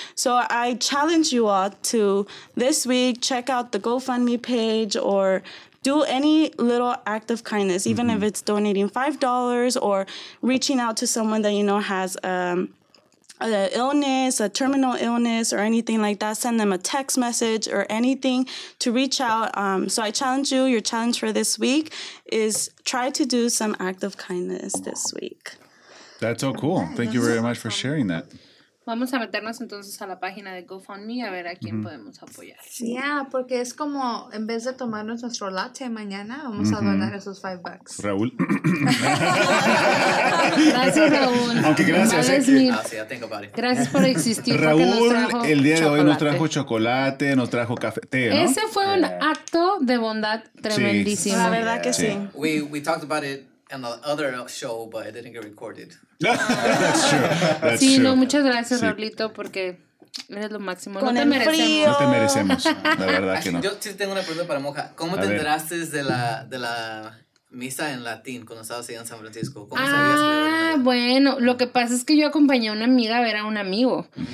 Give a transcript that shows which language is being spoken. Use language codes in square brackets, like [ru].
[en] So I challenge you all to this week check out the GoFundMe page or do any little act of kindness, even if it's donating $5 or reaching out to someone that you know has an illness, a terminal illness, or anything like that. Send them a text message or anything to reach out. So I challenge you, your challenge for this week is try to do some act of kindness this week. That's so cool. Thank you very much for sharing that. [es] Vamos a meternos entonces a la página de GoFundMe a ver a quién podemos apoyar. Yeah, porque es como en vez de tomarnos nuestro latte mañana, vamos a donar esos $5. Raúl. Gracias, Raúl. Aunque gracias. Gracias, Mil. Gracias por existir. Raúl, el día de hoy nos trajo chocolate, nos trajo café. ¿No? Ese fue un acto de bondad tremendísimo. La verdad que sí. [en] We talked about it on the other show, but it didn't get recorded. That's true. [es] Sí, no, muchas gracias, Raulito, porque eres lo máximo. Con no te el merecemos. Frío. No te merecemos, la verdad que no. Yo sí tengo una pregunta para Moja. ¿Cómo te enteraste de la misa en latín cuando estabas ahí en San Francisco? ¿Cómo sabías? Ah, bueno, lo que pasa es que yo acompañé a una amiga a ver a un amigo.